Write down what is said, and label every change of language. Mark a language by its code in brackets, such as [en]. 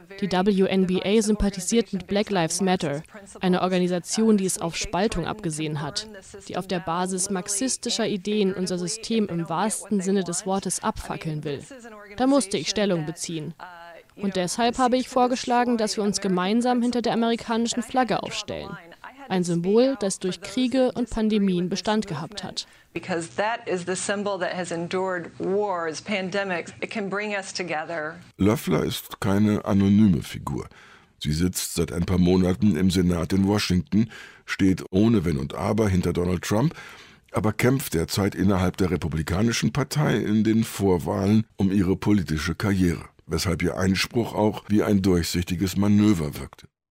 [de] Die WNBA sympathisiert mit Black Lives Matter, eine Organisation, die es auf Spaltung abgesehen hat, die auf der Basis marxistischer Ideen unser System im wahrsten Sinne des Wortes abfackeln will. Da musste ich Stellung beziehen. Und deshalb habe ich vorgeschlagen, dass wir uns gemeinsam hinter der amerikanischen Flagge aufstellen. Ein Symbol, das durch Kriege und Pandemien Bestand gehabt hat. [en] Because that is the symbol that has endured wars, pandemics. It can bring us together. [de] Loeffler ist keine anonyme Figur. Sie sitzt seit ein paar Monaten im Senat in Washington, steht ohne Wenn und Aber hinter Donald Trump, aber kämpft derzeit innerhalb der Republikanischen Partei in den Vorwahlen um ihre politische Karriere, weshalb ihr Einspruch auch wie ein durchsichtiges Manöver wirkte.